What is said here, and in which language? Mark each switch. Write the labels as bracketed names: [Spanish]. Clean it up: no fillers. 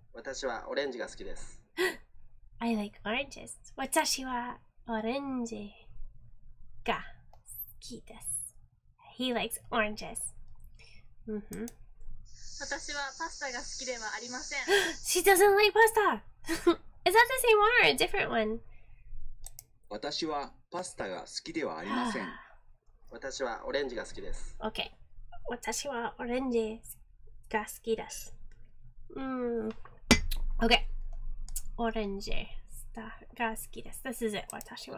[Japanese] 私はオレンジが好きです。 [English] I like oranges. [Japanese] 私はオレンジが好きです。 [English] He likes oranges. [Japanese] 私はパスタが好きではありません。 [English] She doesn't like pasta! Is that the same one or a different one? [Japanese] 私はパスタが好きではありません。私はオレンジが好きです。 [English] Okay. [Japanese] 私はオレンジが好きです。 [English] Okay. Orange. [Japanese] が好きです。 [English] This is it. [Japanese] 私は。